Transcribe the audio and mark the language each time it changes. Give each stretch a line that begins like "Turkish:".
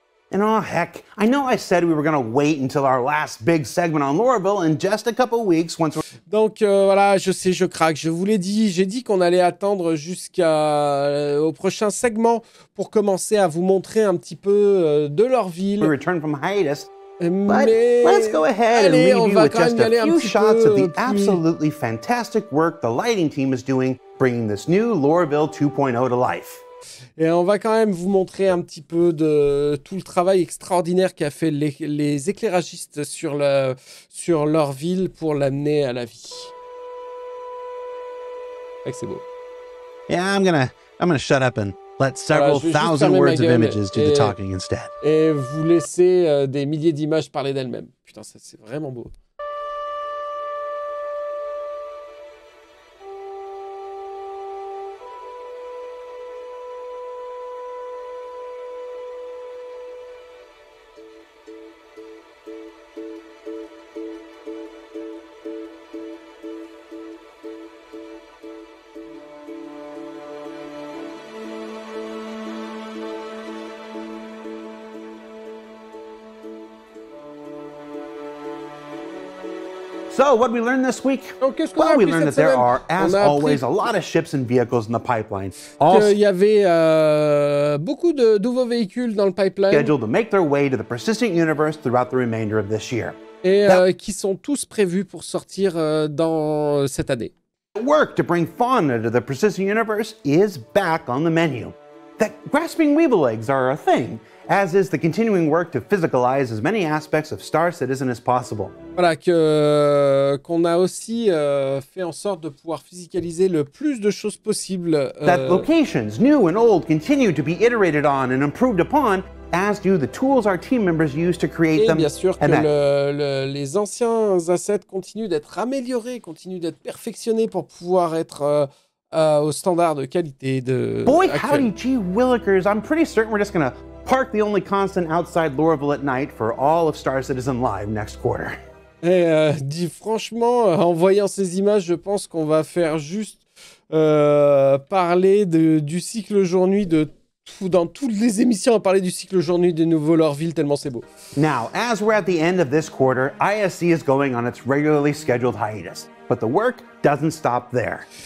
English: And oh heck, I know I said we were gonna wait until our last big segment on Lorville in just a couple weeks once.
French: Donc voilà, je sais, je craque. Je vous l'ai dit, j'ai dit qu'on allait attendre jusqu'à au prochain segment pour commencer à vous montrer un petit peu de leur ville.
English: We return from hiatus.
French: Mais
English: let's go ahead and review with just a few shots of the absolutely fantastic work the lighting team is doing, bringing this new Lorville 2.0 to life.
French: Et on va quand même vous montrer un petit peu de tout le travail extraordinaire qu'a fait les éclairagistes sur leur ville pour l'amener à la vie. Ouais, c'est beau.
English: Yeah, I'm gonna shut up and. Let several thousand words of images do the talking instead.
French: Et vous laissez des milliers d'images parler d'elles-mêmes. Putain, ça, c'est vraiment beau.
English: Thank you. So, what did we learn this week? Well, we learned that there are, as always, a lot of ships and vehicles in the pipeline.
French: Il y avait beaucoup de nouveaux véhicules dans le pipeline.
English: Scheduled to make their way to the persistent universe throughout the remainder of this year.
French: Et qui sont tous prévus pour sortir dans cette année.
English: Work to bring fauna to the persistent universe is back on the menu. That grasping weevil eggs are a thing, as is the continuing work to physicalize as many aspects of Star Citizen as possible.
French: Voilà, qu'on a aussi fait en sorte de pouvoir physicaliser le plus de choses possible.
English: That locations, new and old, continue to be iterated on and improved upon, as do the tools our team members use to create them.
French: Et bien sûr que les anciens assets continuent d'être améliorés, continuent d'être perfectionnés pour pouvoir être... au standard de qualité de...
English: Boy, howdy, gee willikers, I'm pretty certain we're just gonna park the only constant outside Lorville at night for all of Star Citizen Live next quarter.
French: Et dis franchement, en voyant ces images, je pense qu'on va faire juste parler du cycle jour-nuit de tout, dans toutes les émissions, parler du cycle jour-nuit de nouveau Lorville tellement c'est beau.
English: Now, as we're at the end of this quarter, ISC is going on its regularly scheduled hiatus. But the work doesn't stop there.